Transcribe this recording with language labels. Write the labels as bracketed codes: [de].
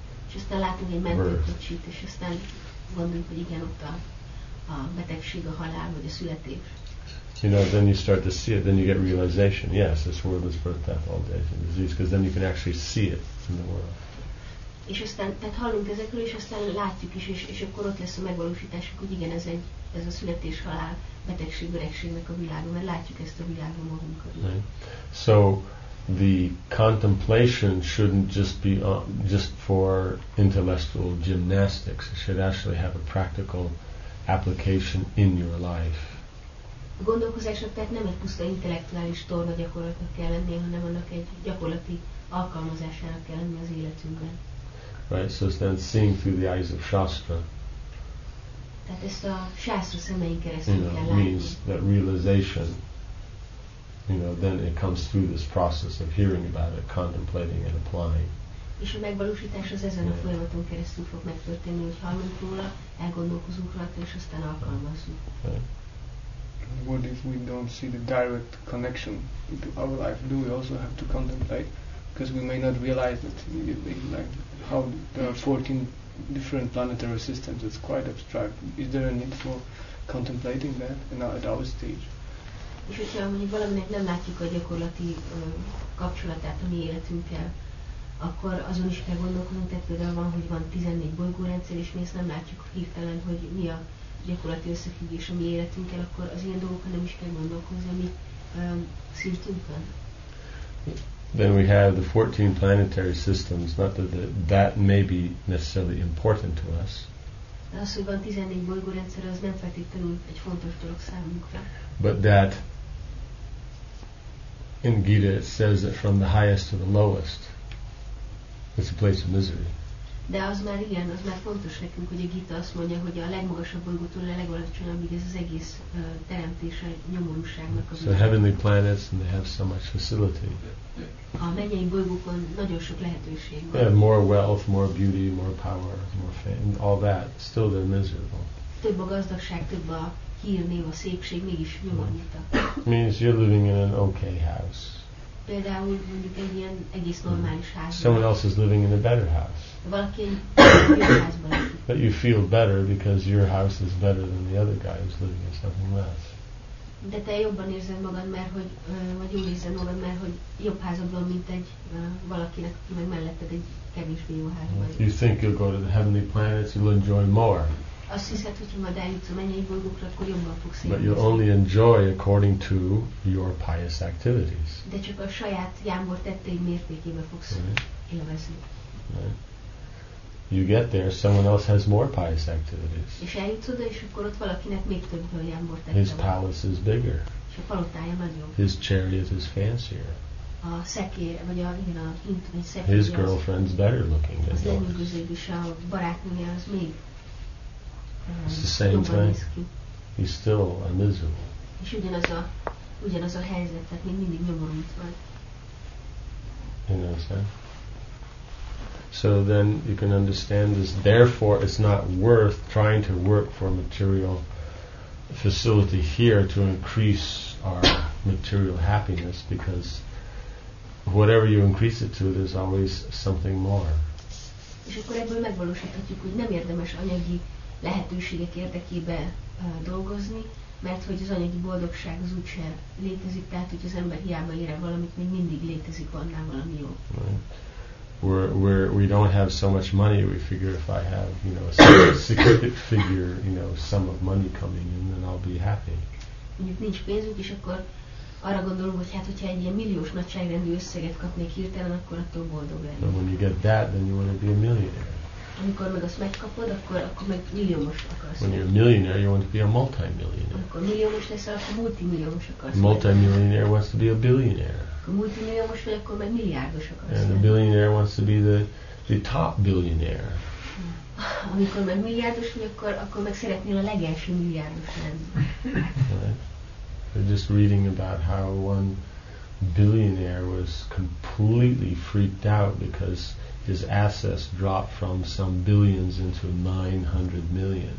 [hu] És aztán látunk egy mentőkocsit, és aztán gondoljuk, hogy igen, ott a betegség, a halál, vagy a születés. [en] You know, then you start to see it, then you get realization. Yes, this world is birth, death, old age, and disease, because then you can actually see it in the world. [hu] És aztán, tehát hallunk ezekről, és aztán látjuk is, és akkor ott lesz a megvalósításuk, hogy igen, ez a születés, halál, betegség, öregségnek a világa, mert látjuk ezt a világon magunk körül. [en] Right. So, the contemplation shouldn't just be just for intellectual gymnastics. It should actually have a practical application in your life. [hu] A gondolkozásnak tehát nem egy puszta intellektuális torna gyakorlatnak kell lennie, hanem annak egy gyakorlati alkalmazásának kell lennie az életünkben. [en] Right, so it's then seeing through the eyes of Shastra. [hu] Tehát ezt a Shastra szemein keresztül kell látni. [en] Means that realization, you know, then it comes through this process of hearing about it, contemplating and applying. [hu] És a megvalósítás az ezen a folyamaton keresztül fog megtörténni, hogy hallunk róla, elgondolkozunk rá, és aztán alkalmazunk. [en] Okay. What if we don't see the direct connection to our life? Do we also have to contemplate? Because we may not realize it immediately, like how there are 14 different planetary systems. It's quite abstract. Is there a need for contemplating that at our stage? [hu] És hogyha mondjuk valaminek nem látjuk a gyakorlati kapcsolatát a mi életünkkel, akkor azon is kell gondolkodnunk, tehát például van, hogy van 14 bolygórendszer, és mi ezt nem látjuk hirtelen, hogy mi a gyakorlati összefüggés a mi életünkkel, akkor az ilyen dolgokkal nem is kell gondolkozni a mi szintünkön. [en] Then we have the 14 planetary systems, not that that may be necessarily important to us. [hu] Az, hogy van 14 bolygórendszer, az nem feltétlenül egy fontos dolog számunkra. [en] But that in Gita it says that from the highest to the lowest it's a place of misery. [hu] De az már igen, az már fontos nekünk, hogy a Gita azt mondja, hogy a legmagasabb bolygótól a legalacsonyabbig ez az egész teremtés a nyomorúságnak. [en] So heavenly planets and they have so much facility. [hu] A mennyei bolygókon nagyon sok lehetőség van. [en] They have more wealth, more beauty, more power, more fame, all that, still they're miserable. [hu] Több a gazdagság, több a hír, név, a szépség, mégis nyomorítak. [en] Means you're living in an okay house. [hu] Például mondjuk egy ilyen egész normális házban. [en] Someone else is living in a better house. [hu] Valaki egy jobb házban. [en] But you feel better because your house is better than the other guy who's living in something less. [hu] De te jobban érzed magad, mert hogy, vagy jól érzed magad, mert hogy jobb házad van, mint egy valakinek, aki meg melletted egy kevésbé jó házban. [en] You think you'll go to the heavenly planets, you'll enjoy more. [hu] Azt hiszed, hogy ha majd eljutsz a mennyei bolygókra, akkor jobban fogsz élni. [en] But you only enjoy according to your pious activities. [hu] De csak a saját jámbor tetteid mértékében fogsz élvezni. [en] You get there, someone else has more pious activities. [hu] És eljutsz oda, és akkor ott valakinek még több jó jámbor tette. [en] His palace is bigger. [hu] És a palotája nagyobb. [en] His chariot is fancier. [hu] A szekér, vagy a, igen, a szekér. [en] His girlfriend's better looking than yours. [hu] Az lenyűgözőbb is, a barátnője az még. [en] It's the same thing. He's still a miserable. [hu] És ugyanaz a helyzet, tehát még mindig nyomorult vagy. [en] You know what I'm saying? So then you can understand this. Therefore, it's not worth trying to work for a material facility here to increase our material happiness, because whatever you increase it to, there's always something more. [hu] És akkor ebből megvalósíthatjuk, hogy nem érdemes anyagi lehetőségek érdekében dolgozni, mert hogy az anyagi boldogság az úgyse létezik, tehát hogy az ember hiába ér el valamit, még mindig létezik annál valami jó. [en] Right. We don't have so much money, we figure if I have, you know, a significant figure, you know, sum of money coming in, then I'll be happy. [hu] Mondjuk nincs pénzünk, és akkor arra gondolom, hogy hát, hogyha egy ilyen milliós nagyságrendű összeget kapnék hirtelen, akkor attól boldog lennék. [en] But when you get that, then you want to be a millionaire. [hu] Amikor meg azt megkapod, akkor meg milliómos akarsz. [en] When you're a millionaire, you want to be a multi-millionaire. [hu] Akkor milliómos leszel, akkor multimilliómos akarsz. [en] Multi-millionaire wants to be a billionaire. [hu] Akkor multimilliómos vagy, akkor meg milliárdos akarsz. [en] And a billionaire wants to be the top billionaire. [hu] Amikor meg milliárdos vagy, akkor meg szeretnél a legelső milliárdos lenni. [en] Just reading about how one billionaire was completely freaked out because his assets dropped from some billions into 900 million.